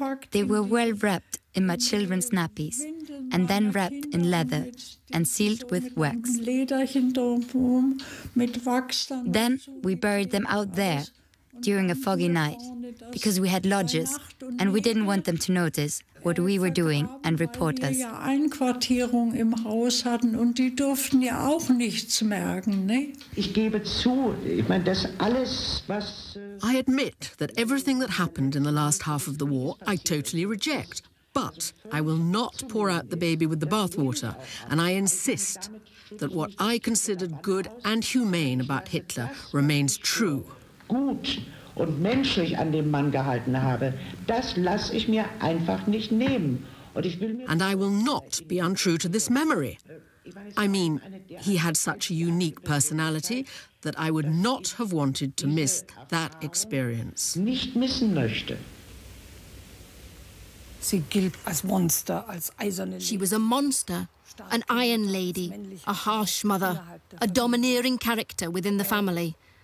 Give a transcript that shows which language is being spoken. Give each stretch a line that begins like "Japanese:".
English: They were well wrapped in my children's nappies and then wrapped in leather and sealed with wax. Then we buried them out there during a foggy night because we had lodges and we didn't want them to notice what we were doing and report us.
German: Einquartierung im Haus hatten und die durften ja auch nichts merken, ne? Ich gebe zu, ich meine, das alles was
English: I admit that everything that happened in the last half of the war, I totally reject. But I will not pour out the baby with the bathwater, and I insist that what I considered good and humane about Hitler remains true.
German: Gut und menschlich an dem Mann gehalten habe, das lasse ich mir einfach nicht nehmen.
English: And I will not be untrue to this memory. I mean, he had such a unique personality that I would not have wanted to miss that experience.
German: Nicht missen möchte. Sie gilt als Monster, als eiserne.
English: She was a monster, an iron lady, a harsh mother, a domineering character within the family.